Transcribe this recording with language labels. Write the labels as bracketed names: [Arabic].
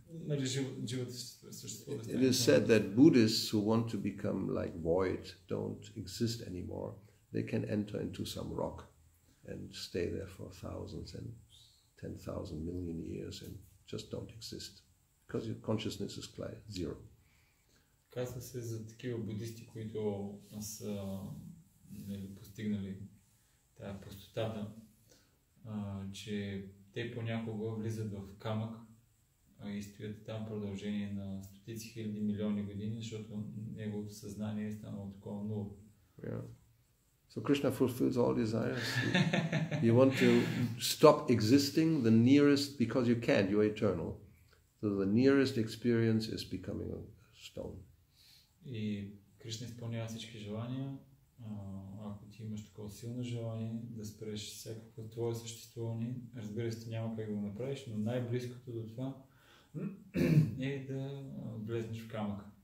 [English] It is said that Buddhists who want to become like void, don't exist anymore, they can enter into some rock and stay there for thousands and 10,000 million years and just don't exist because your consciousness is clear, zero. [Bulgarian] Казва се за такива будисти, които са постигнали тая пустотата, че те понякога влизат в камък и стоят там продължение на стотици хиляди милиони години, защото неговото съзнание е станало такова ново. [English] So Krishna fulfills all desires. You want to stop existing, the nearest, because you can't, you are eternal. So the nearest experience is becoming a stone. [Bulgarian] И Кришна изпълнява всички желания. Ако ти имаш такова силно желание да спреш всякакво твое съществуване, разбира се, няма как да го направиш, но най-близкото до това е да влезнеш в камък.